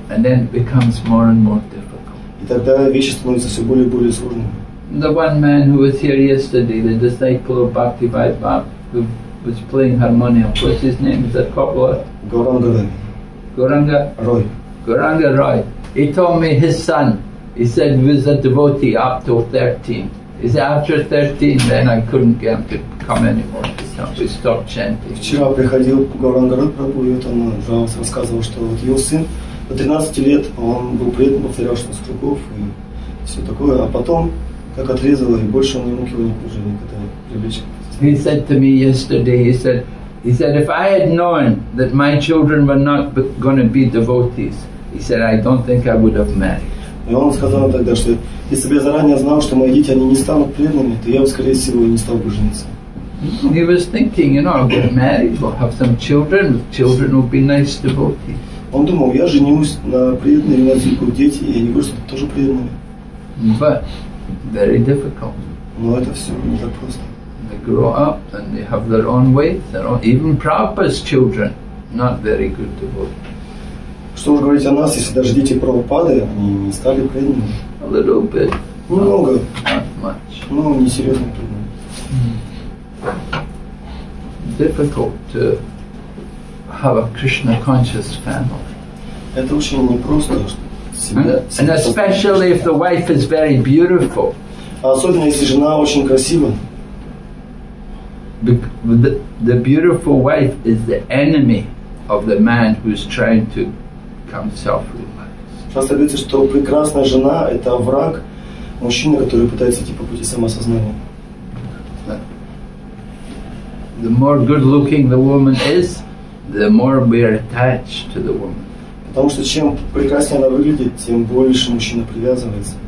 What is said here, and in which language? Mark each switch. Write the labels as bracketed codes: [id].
[en] And then it becomes more and more difficult. [ru] И тогда вещи становятся все более и более сложными. [en] The one man who was here yesterday, the disciple of Bhakti Vaibha, who was playing harmonium. What's his name? Is that Kopla? Goranga Roy. Goranga Roy. Goranga Roy. He told me his son, he said he was a devotee up till 13. He said after 13 then I couldn't get him to come anymore. We stopped chanting. [ru] Вчера приходил Гуранга Рой Прабху, и вот он жаловался, рассказывал, что вот его сын до 13 лет он был предан, повторял, что с кругов и все такое, а потом как отрезало, и больше он не мог его уже никогда привлечь. [en] He said to me yesterday, he said, if I had known that my children were not going to be devotees, he said, I don't think I would have married. [ru] И он сказал тогда, что если бы я заранее знал, что мои дети они не станут преданными, то я бы, скорее всего, не стал бы жениться. [en] He was thinking, you know, I'll get married, we'll have some children, the children will be nice devotees. [ru] Он думал, я женюсь на преданной, у меня будут дети, и они будут тоже преданными. [en] But very difficult. [ru] Но это все не так просто. [en] They grow up and they have their own ways, their own, even Prabhupada's children, not very good devotees. [ru] Что уж говорить о нас, если даже дети Прабхупады, они не стали преданными. [en] A little bit. [ru] Немного. [en] Not much. [ru] Ну, не серьезно преданными. [en] Difficult to have a Krishna conscious family. [ru] Это очень непросто. [en] And especially if the wife is very beautiful. [ru] Особенно если жена очень красива. [en] The beautiful wife is the enemy of the man who's trying to become self-realized. [ru] Часто говорится, что прекрасная жена – это враг мужчины, который пытается идти по пути самосознания. [en] The more good-looking the woman is, the more we are attached to the woman. [ru] Потому что чем прекраснее она выглядит, тем больше мужчина привязывается.